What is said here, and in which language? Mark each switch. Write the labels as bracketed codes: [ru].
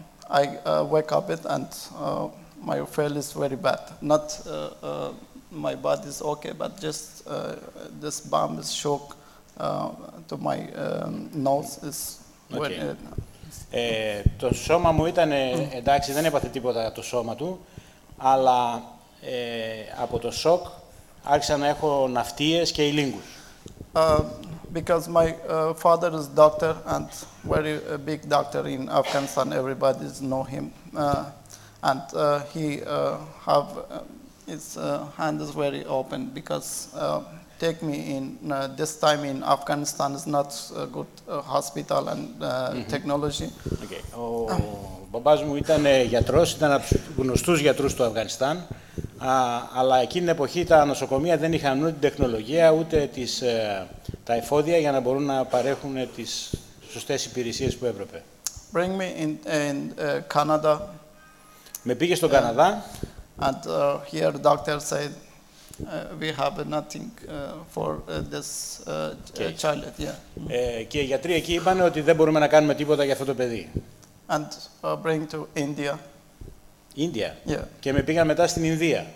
[en] I wake up it and my feel is very bad. Not my body is okay, but just this bomb is shock. To my nose is okay. [el] Το σώμα μου ήταν εντάξει, δεν έπαθε τίποτα το σώμα του, αλλά από το σοκ άρχισα να έχω ναυτίες και ηλίγκους. [en] Because my father is doctor and very big doctor in Afghanistan, everybody know him, and he have his hand is very open because take me in this time in Afghanistan is not a good hospital and technology. Okay. [el] Ο μπαμπάς μου ήταν γιατρός, ήταν από τους γνωστούς γιατρούς του Αφγανιστάν, αλλά εκείνη την εποχή τα νοσοκομεία δεν είχαν ούτε την τεχνολογία, ούτε τις, τα εφόδια για να μπορούν να παρέχουν τις σωστές υπηρεσίες που έπρεπε. [en] Bring me in Canada. [el] Με πήγε στον Καναδά. [en] And here doctor said, we have nothing for this child. Yeah. [el] Και οι γιατροί εκεί είπαν ότι δεν μπορούμε να κάνουμε τίποτα για αυτό το παιδί. [en] And bring to India. India. Yeah. [el] Και με πήγαν μετά στην Ινδία.